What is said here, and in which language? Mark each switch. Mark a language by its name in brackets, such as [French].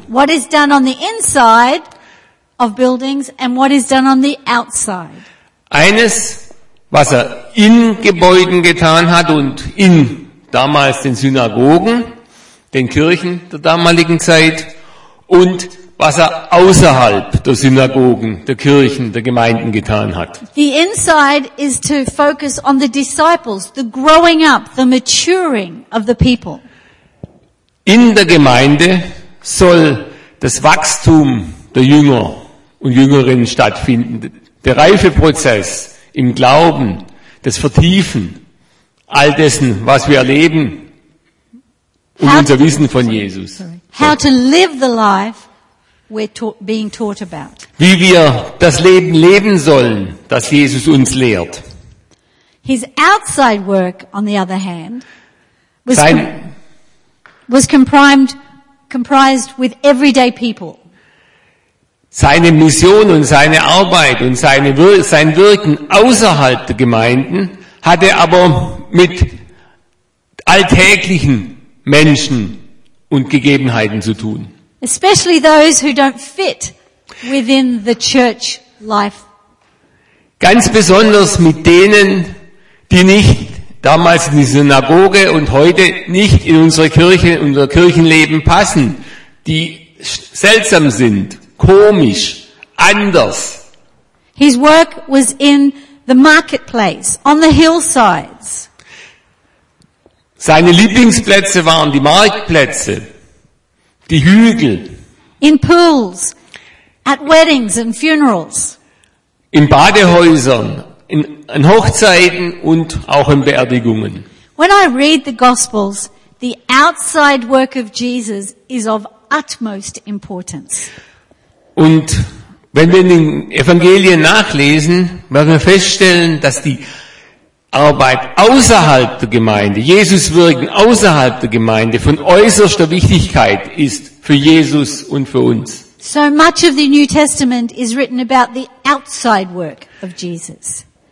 [English] What is done on the inside of buildings and what is done on the outside. [German] Eines, was er in Gebäuden getan hat und in damals den Synagogen, den Kirchen der damaligen Zeit und was er außerhalb der Synagogen, der Kirchen, der Gemeinden getan hat. [English] The inside is to focus on the disciples, the growing up, the maturing of the people. [German] In der Gemeinde soll das Wachstum der Jünger und Jüngerinnen stattfinden, der Reifeprozess im Glauben, das Vertiefen all dessen, was wir erleben und unser Wissen von Jesus. [English] How to live the life we're being taught about. [German] Wie wir das Leben leben sollen, das Jesus uns lehrt. [English] His outside work, on the other hand, was comprised with everyday people. [German] Seine Mission und seine Arbeit und sein Wirken außerhalb der Gemeinden hatte aber mit alltäglichen Menschen und Gegebenheiten zu tun. [English] Especially those who don't fit within the church life. [German] Ganz besonders mit denen, die nicht damals in die Synagoge und heute nicht in unsere Kirche, in unser Kirchenleben passen, die seltsam sind, komisch, anders. [English] His work was in the marketplace, on the hillsides. [German] Seine Lieblingsplätze waren die Marktplätze, die Hügel. [English] In pools, at weddings and funerals. [German] In Badehäusern, in Hochzeiten und auch in Beerdigungen. [English] When I read the Gospels, the outside work of Jesus is of utmost importance. [German] Und wenn wir in den Evangelien nachlesen, werden wir feststellen, dass die Arbeit außerhalb der Gemeinde, Jesus wirken außerhalb der Gemeinde, von äußerster Wichtigkeit ist für Jesus und für uns. [English] So much of the New Testament is written about the outside work of Jesus.